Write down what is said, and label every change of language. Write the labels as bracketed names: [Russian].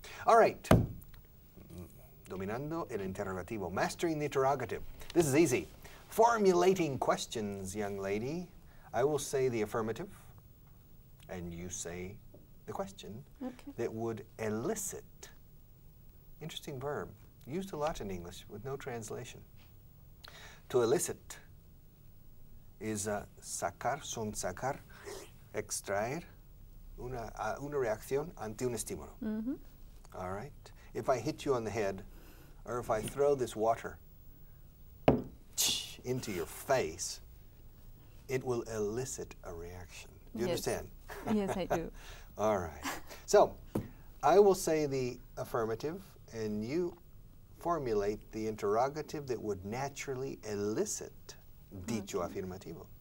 [English] All right. [Spanish] Dominando el interrogativo, [English] mastering the interrogative. This is easy. Formulating questions, young lady. I will say the affirmative, and you say the question okay. That would elicit. Interesting verb, used a lot in English with no translation. To elicit is [Spanish] sacar, son sacar, extraer, una reacción ante un estímulo. Mm-hmm. [English] All right, if I hit you on the head, or if I throw this water into your face, it will elicit a reaction. Do you understand? Yes, I do. All right. So, I will say the affirmative, and you formulate the interrogative that would naturally elicit [Spanish] dicho afirmativo.